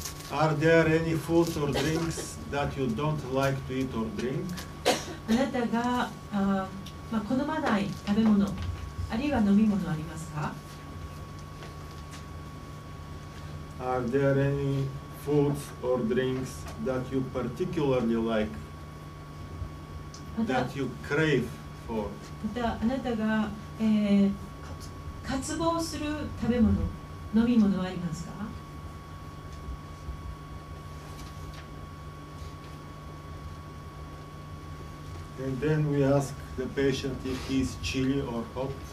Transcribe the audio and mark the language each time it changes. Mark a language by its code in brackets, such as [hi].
[en] Are there any foods or drinks that you don't like to eat or drink? [ja] あなたが好まない食べ物あるいは飲み物ありますか？ [en] Are there any foods or drinks that you particularly like, that you crave for? [ja] またあなたが、渇望する食べ物、飲み物はありますか？ [en] And then we ask the patient if he is chilly or hot.